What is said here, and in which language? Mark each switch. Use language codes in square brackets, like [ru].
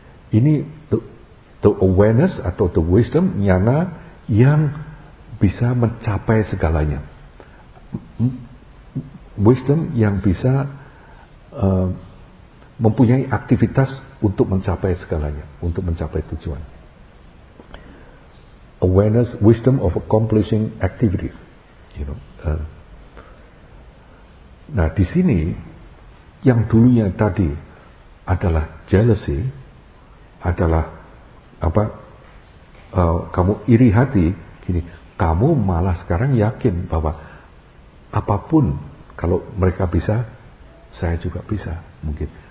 [id] Ini [en] the awareness [id] atau [en] the wisdom, [id] jnana, yang bisa mencapai segalanya. Wisdom yang bisa mempunyai aktivitas untuk mencapai segalanya, untuk mencapai tujuan. [en] Awareness, wisdom of accomplishing activities, you know. [id] Nah, di sini yang dulunya tadi adalah jealousy, adalah apa, kamu iri hati, gini, kamu malah sekarang yakin bahwa apapun kalau mereka bisa, saya juga bisa mungkin.